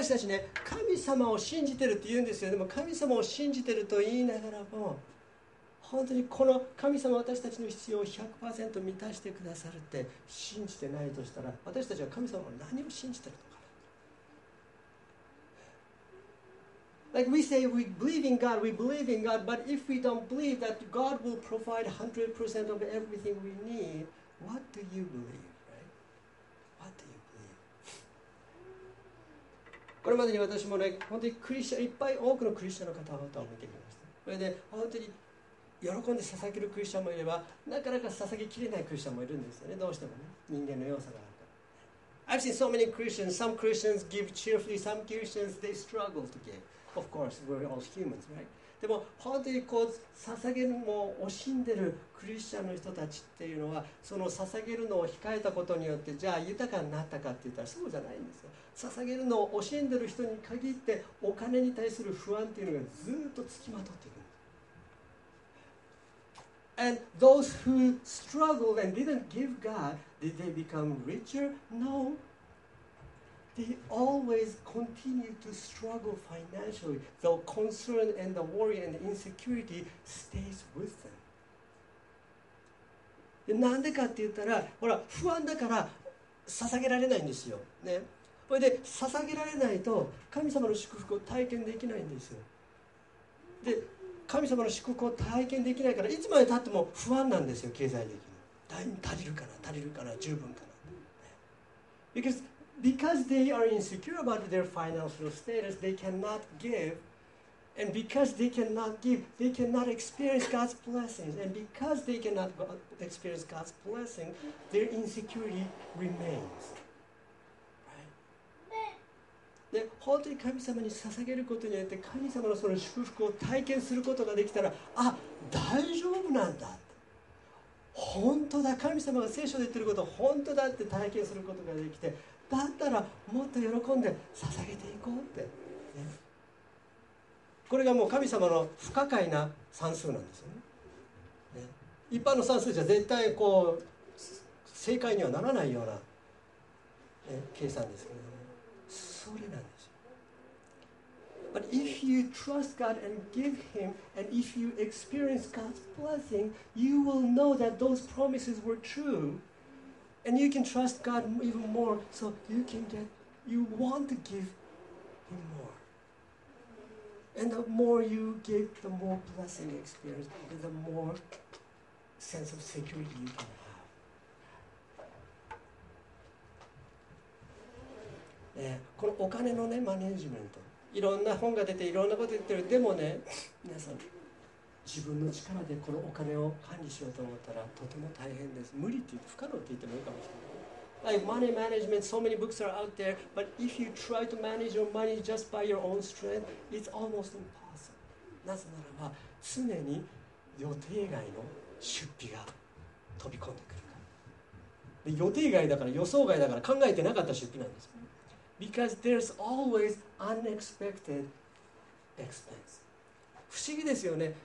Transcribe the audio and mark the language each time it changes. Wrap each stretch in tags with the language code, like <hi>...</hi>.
<ja>私たちね、神様を信じてるって言うんですよ。でも神様を信じてると言いながらも、本当にこの神様私たちの必要を 100% 満たしてくださるって信じてないとしたら私たちは神様を何を信じてるのか。</ja> <en>Like we say we believe in God, we believe in God, but if we don't believe that God will provide 100% of everything we need, what do you believe, right? What do you believe?</en> <ja>これまでに私もね、本当にクリスチャン、いっぱい多くのクリスチャンの方々を見てきました。それで本当に喜んで捧げるクリスチャンもいれば、なかなか捧げきれないクリスチャンもいるんですよね。どうしてもね、人間の弱さがあるから。</ja> <en>I've seen so many Christians. Some Christians give cheerfully. Some Christians they struggle to give. Of course, we're all humans, right?</en> <ja>でも本当にこう捧げるのを惜しんでるクリスチャンの人たちっていうのは、その捧げるのを控えたことによってじゃあ豊かになったかって言ったらそうじゃないんですよ。捧げるのを惜しんでる人に限ってお金に対する不安っていうのがずっとつきまとっていくんです。</ja> <en>And those who struggled and didn't give God, did they become richer? No. They always continue to struggle financially. The concern and the worry and the insecurity stays with them.</en> <ja>なんでかって言ったら、ほら不安だから捧げられないんですよ。ね。それで捧げられないと神様の祝福を体験できないんですよ。で、神様の祝福を体験できないからいつまで経っても不安なんですよ、経済的に。足りるかな、足りるかな、十分かな。</ja> <en>Because they are insecure about their financial status, they cannot give. And because they cannot give, they cannot experience God's blessings. And because they cannot experience God's blessing, their insecurity remains. Right?</en> <ja>で、本当に神様に捧げることによって神様のその祝福を体験することができたら、あ、大丈夫なんだ。本当だ、神様が聖書で言ってること本当だって体験することができて、だったらもっと喜んで捧げていこうって、ね、これがもう神様の不可解な算数なんですよ ね。一般の算数じゃ絶対こう正解にはならないような、ね、計算ですけどね。それなんですよ。</ja> <en>But if you trust God and give Him, and if you experience God's blessing, you will know that those promises were true. And you can trust God even more, so you can get, you want to give Him more. And the more you give, the more blessing you experience, and the more sense of security you can have.</en> <ja>ね、このお金のね、マネジメント。いろんな本が出ていろんなこと言ってる。でもね、皆さん、自分の力でこのお金を管理しようと思ったらとても大変です。無理って言って、不可能って言ってもいいかもしれない。</ja> <en>Like money management, so many books are out there, but if you try to manage your money just by your own strength, it's almost impossible.</en> <ja>なぜならば、常に予定外の出費が飛び込んでくるから。で、予定外だから、予想外だから考えてなかった出費なんです。</ja> <en>Because there's always unexpected expense.</en> <ja>不思議ですよね。</ja>